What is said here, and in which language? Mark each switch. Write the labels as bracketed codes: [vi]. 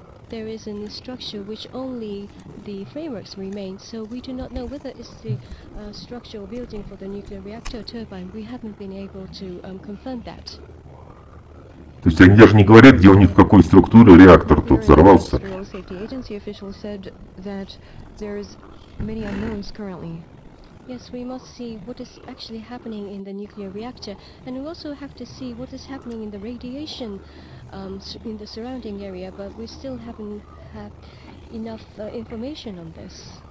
[en] There is in the structure which only the frameworks remain, so we do not know whether it's the structural building for the nuclear reactor turbine. We haven't been able to confirm that. [ru] То есть они даже не говорят, где у них, в какой структуре реактор тут взорвался. [en] The Nuclear Safety Agency official said that there is many unknowns currently. Yes, we must see what is actually happening in the nuclear reactor, and we also have to see what is happening in the radiation in the surrounding area, but we still haven't had enough information on this.